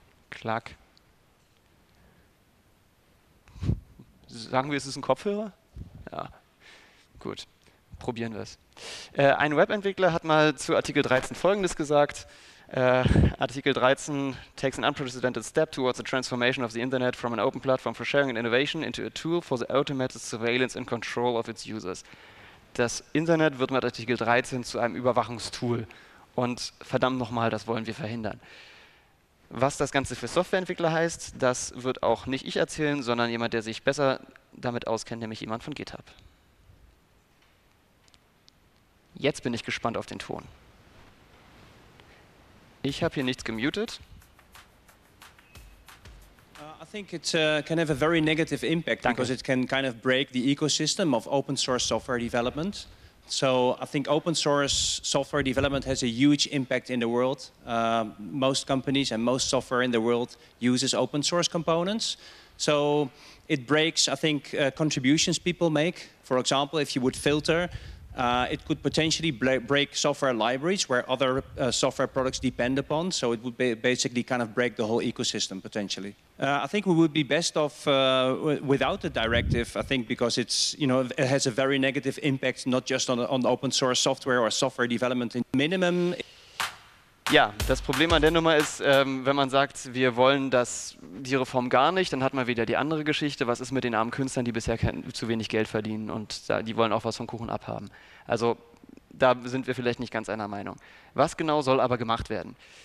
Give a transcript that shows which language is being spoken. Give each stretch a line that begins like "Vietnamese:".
German: Klack. Sagen wir, es ist ein Kopfhörer? Ja. Gut. Probieren wir es. Ein Webentwickler hat mal zu Artikel 13 Folgendes gesagt.
English: Artikel 13 takes an unprecedented step towards the transformation of the Internet from an open platform for sharing and innovation into a tool for the automated surveillance and control of its users.
German: Das Internet wird mit Artikel 13 zu einem Überwachungstool. Und verdammt nochmal, das wollen wir verhindern. Was das Ganze für Softwareentwickler heißt, das wird auch nicht ich erzählen, sondern jemand, der sich besser damit auskennt, nämlich jemand von GitHub. Jetzt bin ich gespannt auf den Ton. Ich habe hier nichts gemutet.
English: I think it can have a very negative impact.
German: Danke.
English: Because it can kind of break the ecosystem of open source software development. So I think open source software development has a huge impact in the world. Most companies and most software in the world uses open source components. So it breaks, I think, contributions people make. For example, if you would filter, it could potentially break software libraries where other software products depend upon. So it would basically kind of break the whole ecosystem, potentially. I think we would be best off without the directive, I think, because it's, you know, it has a very negative impact, not just on open source software or software development. In minimum...
German: Ja, das Problem an der Nummer ist, wenn man sagt, wir wollen das, die Reform gar nicht, dann hat man wieder die andere Geschichte. Was ist mit den armen Künstlern, die bisher zu wenig Geld verdienen und die wollen auch was vom Kuchen abhaben? Also da sind wir vielleicht nicht ganz einer Meinung. Was genau soll aber gemacht werden?